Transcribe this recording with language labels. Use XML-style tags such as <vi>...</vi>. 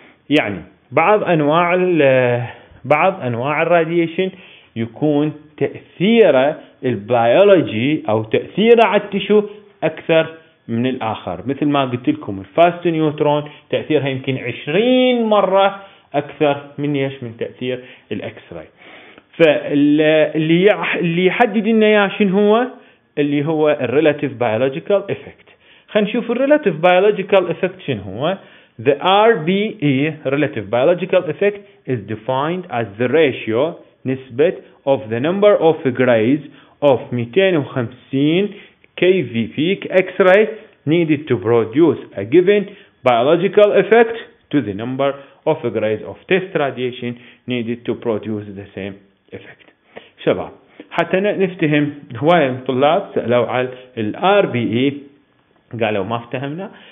<ar>يعني بعض أنواع الراديشن يكون تأثيره البيولوجي أو تأثيره على التشو أكثر من الآخر، مثل ما قلت لكم الفاست نيوترون تأثيرها يمكن 20 مرة أكثر من إيش؟ من تأثير الأكس راي. فاللي يحدد لنا شنو هو؟ اللي هو الريلاتيف بيولوجيكال إفكت. خلينا نشوف الريلاتيف بيولوجيكال إفكت شنو هو.</ar> <en>The RBE, relative biological effect, is defined as the ratio, نسبه, of the number of grays of 250 kV peak X-ray needed to produce a given biological effect to the number of grays of test radiation needed to produce the same effect.</en> <ar>شباب، حتى نفتهم، هواي الطلاب سألوا على الـ RBE، قالوا ما افتهمنا.</ar>